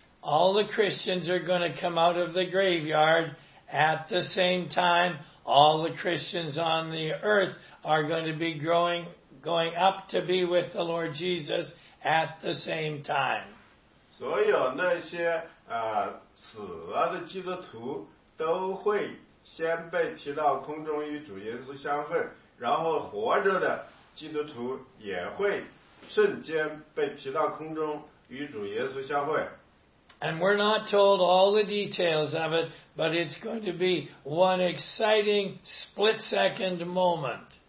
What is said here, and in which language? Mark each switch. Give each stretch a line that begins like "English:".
English: All the Christians are going to come out of the graveyard at the same time. All the Christians on the earth are going to be going up to be with the Lord Jesus at the same time.
Chinese: 所有那些死了的基督徒都会先被提到空中与主耶稣相会，然后活着的基督徒也会瞬间被提到空中与主耶稣相会。
English: And we're not told all the details of it, but it's going to be one exciting split-second moment.